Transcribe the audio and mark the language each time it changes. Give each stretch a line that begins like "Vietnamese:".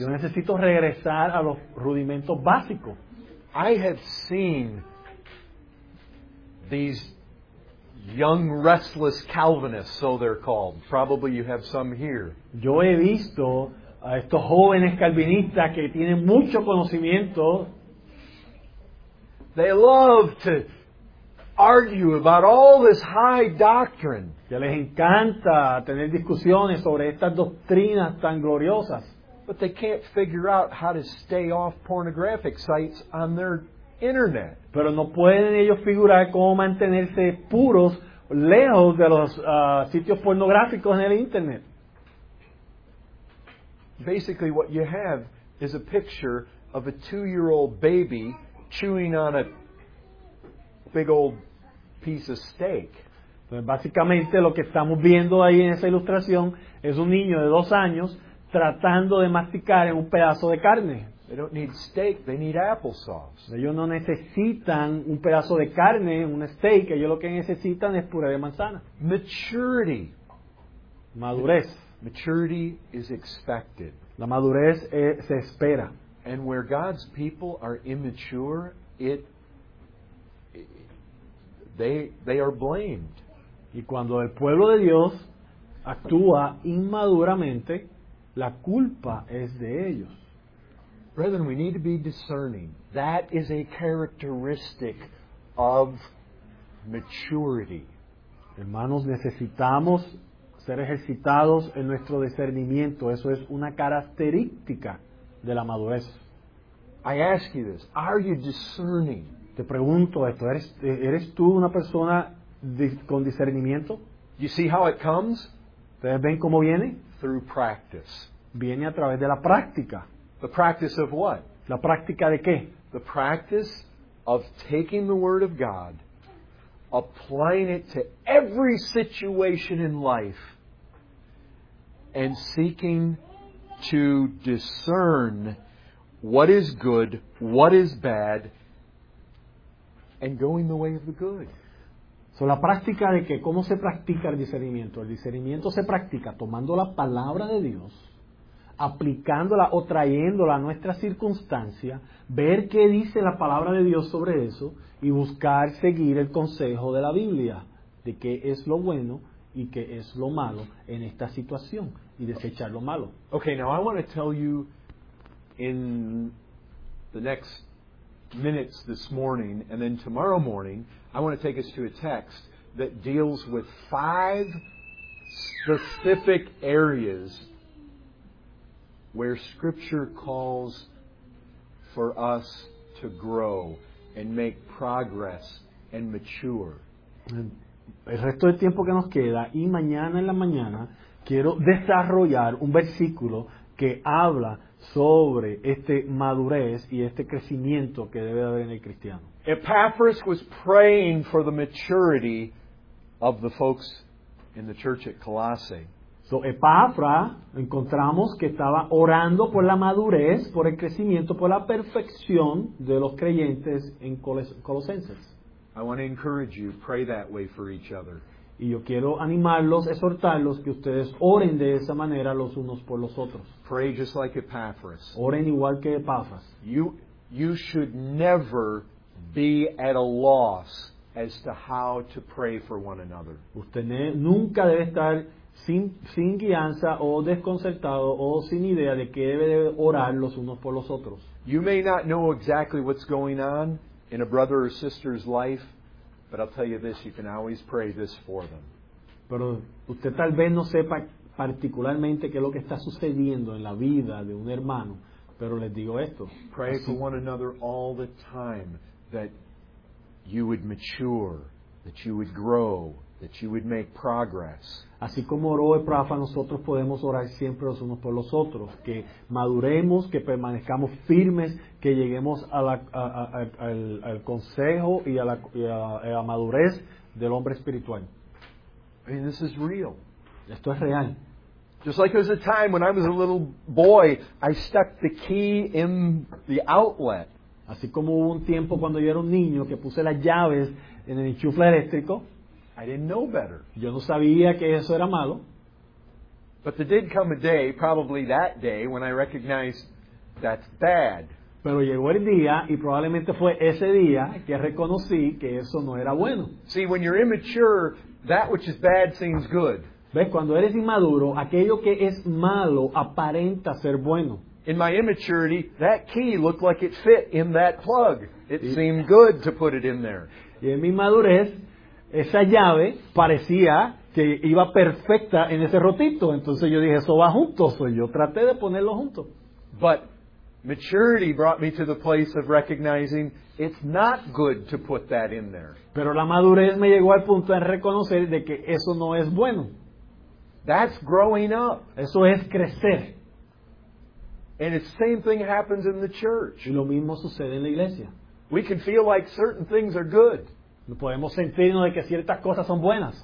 Spanish: Yo necesito regresar a los rudimentos básicos.
English: I have seen these young restless Calvinists, so they're called. Probably you have some here.
Spanish: Yo he visto a estos jóvenes calvinistas que tienen mucho conocimiento.
English: They love to argue about all this high doctrine.
Spanish: Que les encanta tener discusiones sobre estas doctrinas tan gloriosas.
English: But they can't figure out how to stay off pornographic sites on their internet.
Spanish: Pero no pueden ellos figurar cómo mantenerse puros lejos de los sitios pornográficos en el internet.
English: Basically what you have is a picture of a 2-year-old baby chewing on a big old piece of steak.
Spanish: Entonces, básicamente lo que estamos viendo ahí en esa ilustración es un niño de 2 años tratando de masticar en un pedazo de carne.
English: They don't need steak, they need applesauce.
Spanish: Ellos no necesitan un pedazo de carne, un steak. Ellos lo que necesitan es puré de manzana.
English: Maturity.
Spanish: Madurez.
English: Maturity is expected.
Spanish: La madurez se espera.
English: And where God's people are immature, they are blamed.
Spanish: Y cuando el pueblo de Dios actúa inmaduramente, la culpa es de ellos.
English: Brethren, we need to be discerning. That is a characteristic of maturity.
Spanish: Hermanos, necesitamos ser ejercitados en nuestro discernimiento. Eso es una característica de la madurez.
English: I ask you this. Are you discerning?
Spanish: Te pregunto esto. ¿Eres tú una persona con discernimiento?
English: You see how it comes?
Spanish: ¿Ustedes ven cómo viene?
English: Through practice.
Spanish: Viene a través de la práctica.
English: The practice of what?
Spanish: ¿La práctica de qué?
English: The practice of taking the word of God, applying it to every situation in life, and seeking to discern what is good, what is bad, and going the way of the good.
Spanish: So, la práctica de qué? ¿Cómo se practica el discernimiento? El discernimiento se practica tomando la palabra de Dios, aplicándola o trayéndola a nuestra circunstancia, ver qué dice la palabra de Dios sobre eso y buscar seguir el consejo de la Biblia de qué es lo bueno y qué es lo malo en esta situación y desechar lo malo.
English: Okay, now I want to tell you in the next minutes this morning and then tomorrow morning, I want to take us to a text that deals with five specific areas where Scripture calls for us to grow and make progress and mature.
Spanish: El resto del tiempo que nos queda y mañana en la mañana quiero desarrollar un versículo que habla sobre este madurez y este crecimiento que debe haber en el cristiano.
English: Epaphras was praying for the maturity of the folks in the church at Colossae.
Spanish: So, Epafras, encontramos que estaba orando por la madurez, por el crecimiento, por la perfección de los creyentes en Colosenses.
English: I want to encourage you, pray that way for each other.
Spanish: Y yo quiero animarlos, exhortarlos, que ustedes oren de esa manera los unos por los otros.
English: Pray just like Epaphras.
Spanish: Oren igual que Epafras.
English: You should never be at a loss as to how to pray for one another.
Spanish: Usted nunca debe estar sin guianza o desconcertado o sin idea de que debe orar los unos por los otros.
English: You may not know exactly what's going on in a brother or sister's life, but I'll tell you this, you can always pray this for them.
Spanish: Pero usted tal vez no sepa particularmente qué es lo que está sucediendo en la vida de un hermano, pero les digo esto.
English: Pray for one another all the time that you would mature, that you would grow, that you would make progress.
Spanish: Así como oró Epafras, nosotros podemos orar siempre los unos por los otros, que maduremos, que permanezcamos firmes, que lleguemos al consejo y a la madurez del hombre espiritual.
English: I mean, this is real.
Spanish: Esto es real.
English: Just like there was a time when I was a little boy, I stuck the key in the outlet.
Spanish: Así como hubo un tiempo cuando yo era un niño que puse las llaves en el enchufe eléctrico.
English: I didn't know better.
Spanish: Yo no sabía que eso era malo.
English: But there did come a day, probably that day, when I recognized that's bad.
Spanish: Pero llegó el día, y probablemente fue ese día, que reconocí que eso no era bueno.
English: See, when you're immature, that which is bad seems good.
Spanish: ¿Ves? Cuando eres inmaduro, aquello que es malo aparenta ser bueno.
English: In my immaturity, that key looked like it fit in that plug. It seemed good to put it in there.
Spanish: Y en mi madurez, esa llave parecía que iba perfecta en ese rotito. Entonces yo dije, eso va junto. So yo traté de ponerlo junto.
English: But maturity brought me to the place of recognizing it's not good to put that in there.
Spanish: Pero la madurez me llegó al punto de reconocer de que eso no es bueno.
English: That's growing up.
Spanish: Eso es crecer.
English: And the same thing happens in the church.
Spanish: Y lo mismo sucede en la iglesia.
English: We can feel like certain things are good.
Spanish: Podemos sentirnos de que ciertas cosas son buenas.